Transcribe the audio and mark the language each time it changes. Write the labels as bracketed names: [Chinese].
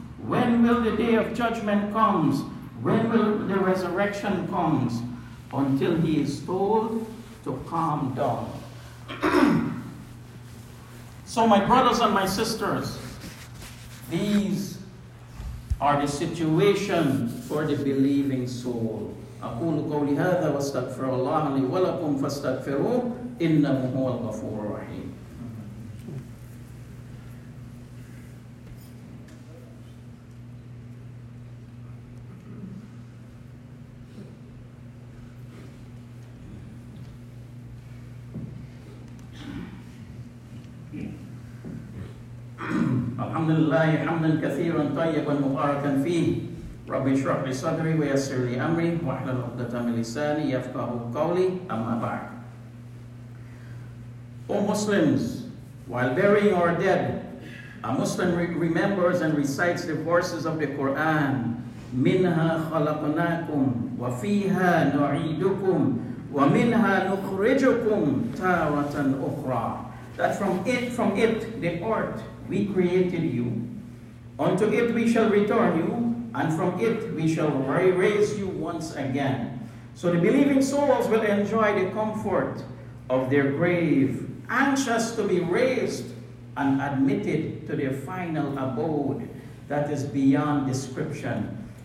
[English] When will the day of judgment come? When will the resurrection come?" Until he is told to calm down. So my brothers and my sisters, these are the situation for the believing soul. [Arabic] أقول قولي هذا واستغفر الله لي ولكم فاستغفروه إنه هو الغفور الرحيم. الحمد لله حمدا كثيرا طيبا مباركا فيه. رب اشرح لي صدري ويسر لي امري واحلل عقدة من لساني يفقهوا قولي اما بعد. [English] O Muslims, while burying our dead, a Muslim remembers and recites the verses of the Quran. [Arabic] منها خلقناكم وفيها نعيدكم ومنها نخرجكم تارة أخرى. [English] That from it, the earth, we created you. Unto it we shall return you, and from it we shall raise you once again. So the believing souls will enjoy the comfort of their grave, anxious to be raised and admitted to their final abode that is beyond description.